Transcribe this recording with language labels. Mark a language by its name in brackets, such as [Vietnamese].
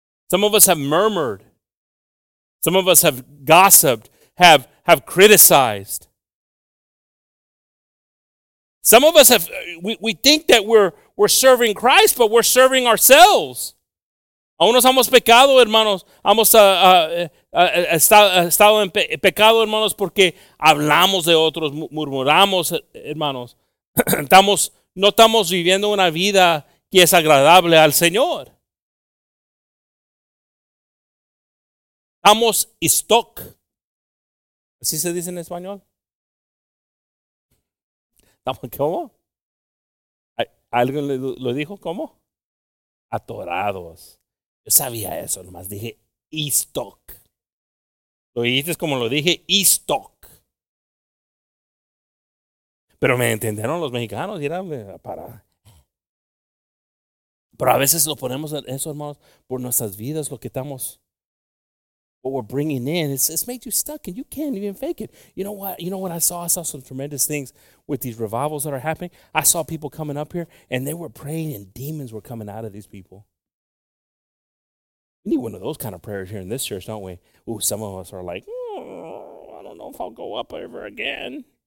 [English] Some of us have murmured. Some of us have gossiped, have criticized. Some of us have, we think that we're serving Christ, but we're serving ourselves. [Spanish] Unos hemos pecado, hermanos. Hemos estado en pecado, hermanos, porque hablamos de otros, murmuramos, hermanos. No estamos viviendo una vida que es agradable al Señor. Estamos stuck. ¿Así se dice en español? ¿Cómo? ¿Alguien lo dijo? ¿Cómo? Atorados. Yo sabía eso, nomás dije stuck. Lo dijiste como lo dije, stuck. Pero me entendieron los mexicanos y era para. Pero a veces lo ponemos en eso, hermanos, por nuestras vidas, lo que estamos. [English] What we're bringing in, it's made you stuck and you can't even fake it. You know what? You know what I saw? I saw some tremendous things with these revivals that are happening. I saw people coming up here and they were praying and demons were coming out of these people. We need one of those kind of prayers here in this church, don't we? Ooh, some of us are like, I don't know if I'll go up ever again.